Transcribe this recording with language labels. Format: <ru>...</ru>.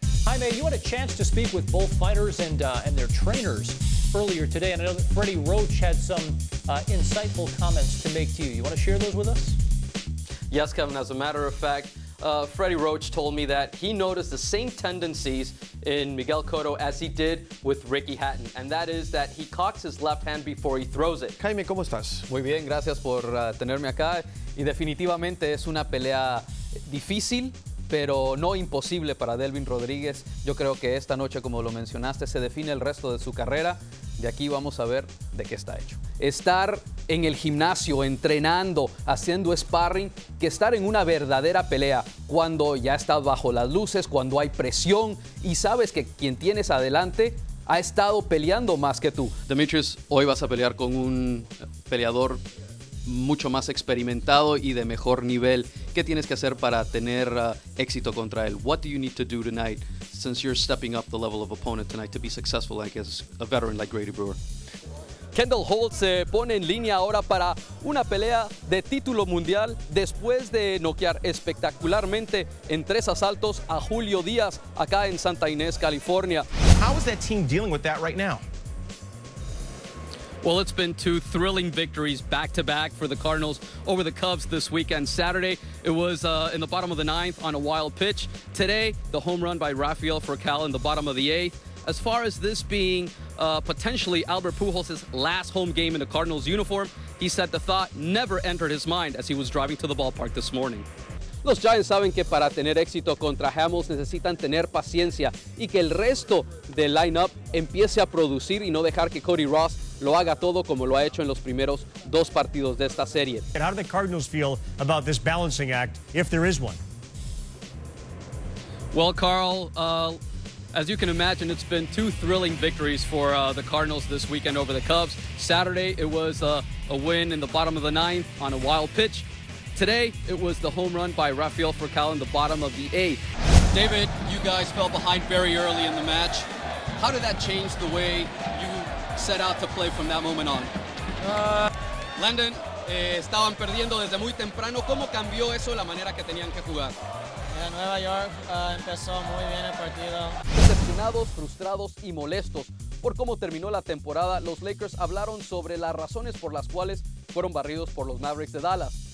<en>Jaime, you had a chance to speak with both fighters and their trainers earlier today, and I know that Freddie Roach had some insightful comments to make to you. You want to share those with us? Yes, Kevin. As a matter of fact, Freddie Roach told me that he noticed the same tendencies in Miguel Cotto as he did with Ricky Hatton, and that is that he cocks his left hand before he throws it.</en> <es>Jaime, ¿cómo estás? Muy bien, gracias por tenerme acá. Y definitivamente es una pelea difícil, pero no imposible para Delvin Rodríguez. Yo creo que esta noche, como lo mencionaste, se define el resto de su carrera. De aquí vamos a ver de qué está hecho. Estar en el gimnasio, entrenando, haciendo sparring, que estar en una verdadera pelea cuando ya estás bajo las luces, cuando hay presión y sabes que quien tienes adelante ha estado peleando más que tú. Demetrius, hoy vas a pelear con un peleador mucho más experimentado y de mejor nivel. ¿Qué tienes que hacer para tener éxito contra él?</es> <en>What do you need to do tonight, since you're stepping up the level of opponent tonight, to be successful like as a veteran like Grady Brewer?</en> <es>Kendall Holt se pone en línea ahora para una pelea de título mundial después de noquear espectacularmente en tres asaltos a Julio Díaz acá en Santa Inés, California.</es> <en>How is that team dealing with that right now? Well, it's been two thrilling victories back-to-back for the Cardinals over the Cubs this weekend. Saturday, it was in the bottom of the ninth on a wild pitch. Today, the home run by Rafael Furcal in the bottom of the eighth. As far as this being potentially Albert Pujols' last home game in a Cardinals uniform, he said the thought never entered his mind as he was driving to the ballpark this morning.</en> <es>Los Giants saben que para tener éxito contra Hamels necesitan tener paciencia y que el resto del lineup empiece a producir y no dejar que Cody Ross lo haga todo como lo ha hecho en los primeros dos partidos de esta serie.</es> <en>And how do the Cardinals feel about this balancing act, if there is one? Well, Carl, as you can imagine, it's been two thrilling victories for the Cardinals this weekend over the Cubs. Saturday, it was a win in the bottom of the ninth on a wild pitch. Today, it was the home run by Rafael Furcal in the bottom of the eighth. David, you guys fell behind very early in the match. How did that change the way you set out to play from that moment on?</en> <es>Landon, estaban perdiendo desde muy temprano. ¿Cómo cambió eso la manera que tenían que jugar? En Nueva York empezó muy bien el partido. Decepcionados, frustrados y molestos por cómo terminó la temporada, los Lakers hablaron sobre las razones por las cuales fueron barridos por los Mavericks de Dallas.</es>